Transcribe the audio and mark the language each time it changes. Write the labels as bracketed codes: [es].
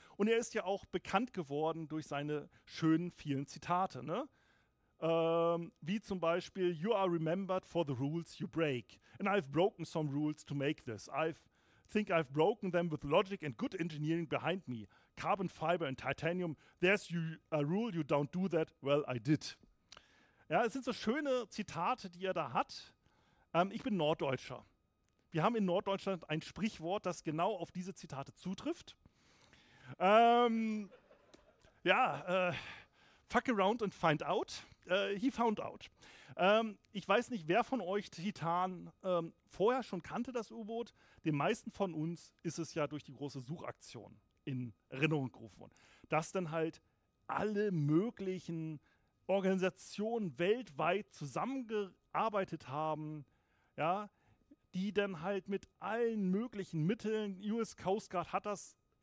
[de] Und er ist ja auch bekannt geworden durch seine schönen vielen Zitate. Ne? Wie zum Beispiel, [en] "You are remembered for the rules you break. And I've broken some rules to make this. I think I've broken them with logic and good engineering behind me. Carbon fiber and titanium, there's a rule you don't do that. Well, I did." [de] Ja, es sind so schöne Zitate, die er da hat. Ich bin Norddeutscher. Wir haben in Norddeutschland ein Sprichwort, das genau auf diese Zitate zutrifft. [en] Fuck around and find out. He found out. [de] Ich weiß nicht, wer von euch Titan vorher schon kannte, das U-Boot. Den meisten von uns ist es ja durch die große Suchaktion in Erinnerung gerufen worden. Dass dann halt alle möglichen Organisationen weltweit zusammengearbeitet haben, ja, die dann halt mit allen möglichen Mitteln, US Coast Guard hat das